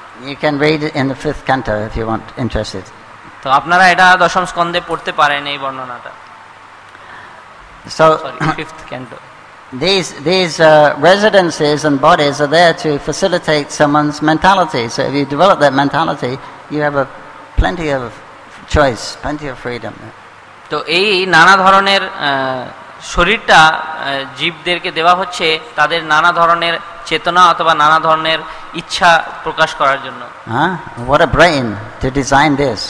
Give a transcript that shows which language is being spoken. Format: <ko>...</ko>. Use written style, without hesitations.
<en>You can read it in the fifth canto if you want interested.</en> <bn>তো আপনারা এটা দশম স্কন্ধে পড়তে পারেন এই বর্ণনাটা।</bn> <en>So fifth canto. These residences and bodies are there to facilitate someone's mentality. So if you develop that mentality, you have plenty of choice, plenty of freedom.</en> <bn>তো এই নানা ধরনের শরীরটা জীবদেরকে দেওয়া হচ্ছে তাদের নানা ধরনের চেতনা অথবা নানা ধরনের ইচ্ছা প্রকাশ করার জন্য।</bn> <en>What a brain to design this.</en>